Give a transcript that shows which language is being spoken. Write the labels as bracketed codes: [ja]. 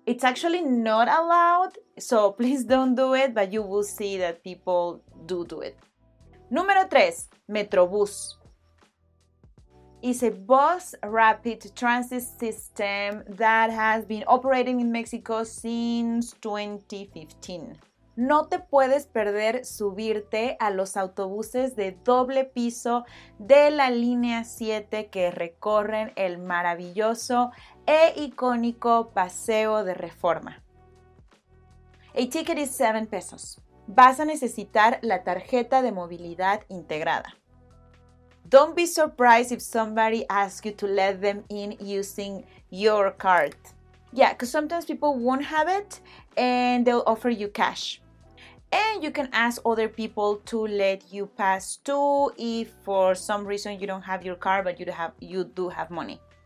[en] It's actually not allowed, so please don't do it, but you will see that people do it. [es] Número 3, [en] Metrobús. It's a bus rapid transit system that has been operating in Mexico since 2015. [es] No te puedes perder subirte a los autobuses de doble piso de la línea 7 que recorren el maravilloso e icónico Paseo de Reforma. [en] A ticket is 7 pesos. [es] Vas a necesitar la tarjeta de movilidad integrada. [en] Don't be surprised if somebody asks you to let them in using your card. Yeah, because sometimes people won't have it and they'll offer you cash. And you can ask other people to let you pass too if for some reason you don't have your car, but you do have money.